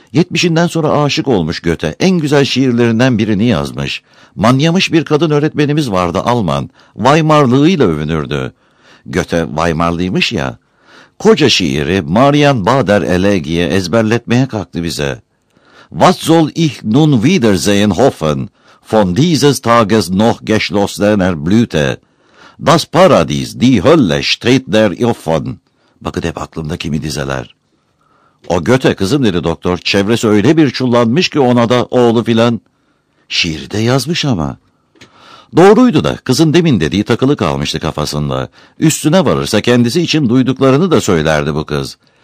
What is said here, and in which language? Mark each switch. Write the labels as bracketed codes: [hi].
[tr] 70'inden sonra aşık olmuş Göte. En güzel şiirlerinden birini yazmış. Manyamış bir kadın öğretmenimiz vardı, Alman. Weimarlığıyla övünürdü. Göte Weimarlıymış ya. Koca şiiri Marian Bader Elegi'ye ezberletmeye kalktı bize. [de] Was soll ich nun wiedersehen hoffen? Von dieses Tages noch geschlossener Blüte. Das Paradies, die Hölle steht der offen. [tr] Bakın hep aklımda kimi dizeler. O Göte kızım dedi doktor. Çevresi öyle bir çullanmış ki ona da oğlu filan. Şiiri de yazmış ama. Doğruydu da kızın demin dediği takılı kalmıştı kafasında. Üstüne varırsa kendisi için duyduklarını da söylerdi bu kız.